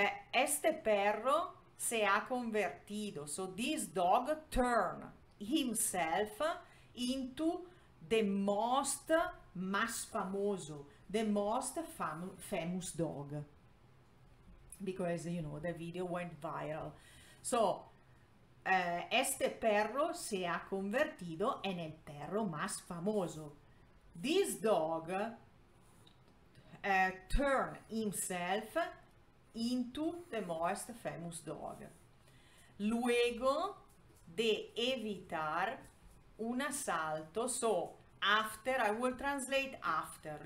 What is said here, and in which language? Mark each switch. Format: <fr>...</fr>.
<es>Este perro se ha convertido.</es> <en>So this dog turned himself into the most</en> <es>mas famoso,</es> <en>the most famous dog. Because, you know, the video went viral.</en> <es>So, este perro se ha convertido en el perro más famoso.</es> <en>This dog turned himself into the most famous dog.</en> <es>Luego de evitar un asalto,</es> <en>so after, I will translate after.</en>